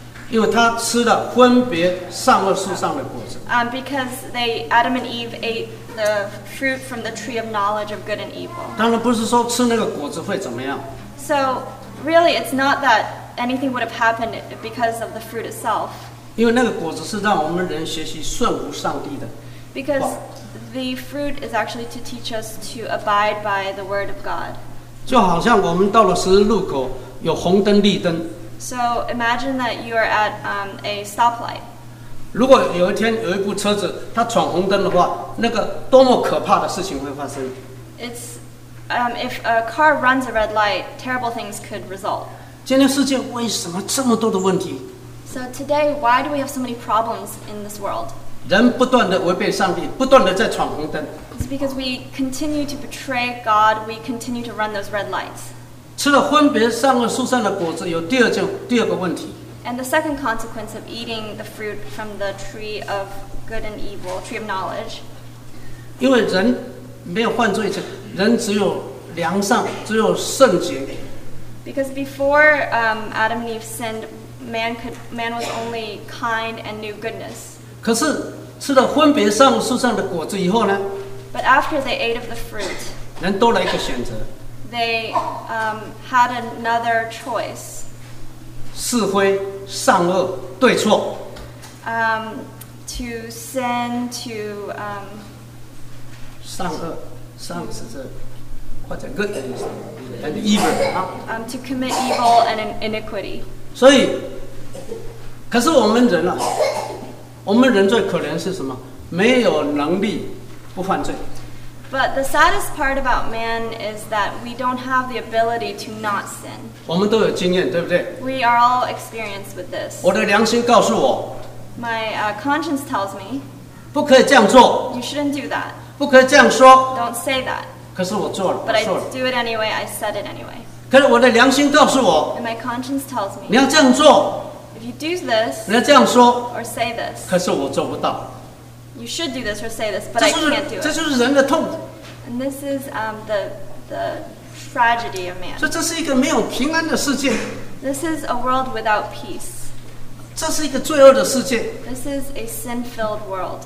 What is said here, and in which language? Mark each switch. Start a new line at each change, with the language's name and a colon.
Chinese: 因为他吃了分别善恶树上的果子。
English: Because they Adam and Eve ate the fruit from the tree of knowledge of good and evil.
Chinese: 当然不是说吃那个果子会怎么样。
English: So really, it's not that anything would have happened because of the fruit itself.
Chinese: 因为那个果子是让我们人学习顺服上帝的。
English: Because the fruit is actually to teach us to abide by the word of God.
Chinese: 就好像我们到了十字路口，有红灯、绿灯。
English: So imagine that you are at a stoplight.
Chinese: 如果有一天有一部车子它闯红灯的话，那个多么可怕的事情会发生
English: ？It's if a car runs a red light, terrible things could result.
Chinese: 今天世界为什么这么多的问题
English: ？So today, why do we have so many problems in this world?
Chinese: 人不断的违背上帝，不断的在闯红灯。
English: It's because we continue to betray God. We continue to run those red lights.
Chinese: 吃了分别善恶树上的果子，有第二个问题。
English: And the second consequence of eating the fruit from the tree of good and evil, tree of knowledge.
Chinese: 因为人没有犯罪前，人只有良善，只有圣洁。
English: Because before Adam and Eve sinned, man was only kind and knew goodness.
Chinese: 可是吃了分别善恶树上的果子以后呢？
English: But after they ate of the fruit,
Chinese: 人多了一个选择。
English: They had another choice.
Chinese: 是非善恶对错。
English: To sin to
Chinese: 善恶，善是这，或者 good 的意思 ，
English: and evil 啊。 To commit evil and iniquity.
Chinese: 所以，可是我们人啊，我们人最可怜是什么？没有能力不犯罪。
English: But the saddest part about man is that we don't have the ability to not sin.
Chinese: 我们都有经验，对不对
English: ？We are all experienced with this.
Chinese: 我的良心告诉我
English: ，My conscience tells me，
Chinese: 不可以这样做。
English: You shouldn't do that.
Chinese: 不可以这样说。
English: Don't say that.
Chinese: 可是我做了。
English: But I do it anyway. I said it anyway.
Chinese: 可是我的良心告诉我
English: ，And my conscience tells me，
Chinese: 你要这样做。
English: If you do this，
Chinese: 你要这样说
English: ，or say this，
Chinese: 可是我做不到。
English: You should do this or say this, but I can't do it.
Chinese: 这就是人的痛。
English: And this is the tragedy of man.
Chinese: 所以这是一个没有平安的世界。
English: This is a world without peace.
Chinese: 这是一个罪恶的世界。
English: This is a sin-filled world.